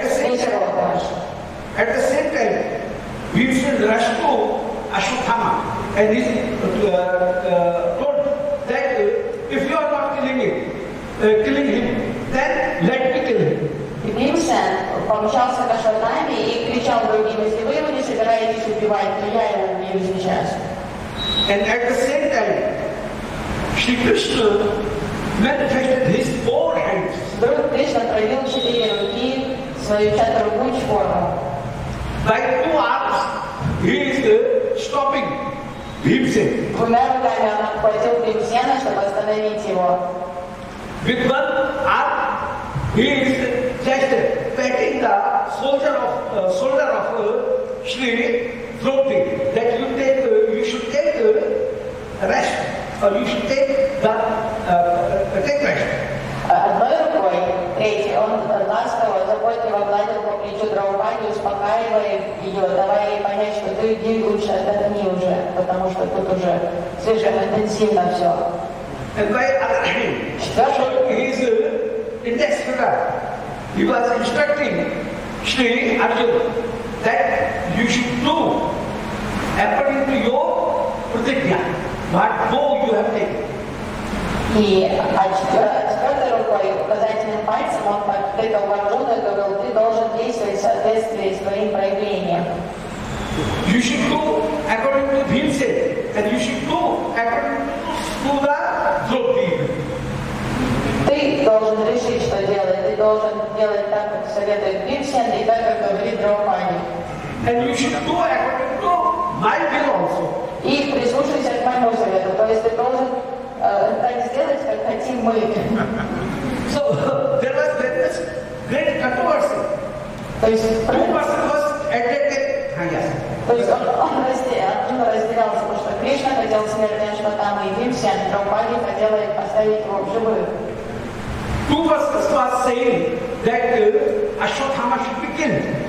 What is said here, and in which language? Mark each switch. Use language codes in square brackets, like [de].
[en] At the same time, we should rush to Ashwatthama, and he told that if you are not killing him, then let me kill him. [ru] Помчался к Ашватаме и кричал другим, если вы его не собираетесь убивать, то я его убью сейчас. [en] And at the same time, Shri Krishna manifested his four hands. [ru] Вдруг Кришна проявил четыре руки, свою четырехрукую форму. [en] By two arms, he is stopping Bhimsena. [ru] Двумя руками он обхватил Бхимсена, чтобы остановить его. [en] With one arm, he is just patting the shoulder of Shri Draupadi, that you should take rest. [ru] Одной рукой, третий, он ласково, заботливо гладил по плечу Драупади, успокаивая ее, давая ей понять, что ты иди лучше, отдохни уже, потому что тут уже слишком интенсивно все. [en] And by other hand, so he is in this figure. He was instructing Shri Arjuna that you should do according to your pratigya, what bow you have taken. [ru] И четвертой рукой, указательным пальцем, он подтыкал в Арджуну и говорил, ты должен действовать в соответствии с твоим проявлением. [en] You should go according to Bhimsena, and you should go according to the Draupadi. [ru] Ты должен решить, что делать. Ты должен делать так, как советует Бхимсена, и так, как говорит Драупади. [en] And you should go according to my will also. [ru] И прислушайся к моему совету. То есть ты должен так сделать, как хотим мы. [en] So there was very much great controversy. [ru] То есть [en] two persons was attacked. [ru] То есть он разделялся, потому что Кришна хотел смерть Ашватамы и Бхимсена, Драупади хотела поставить его в живых. [en] Two verses was saying that Ashwatthama should be killed.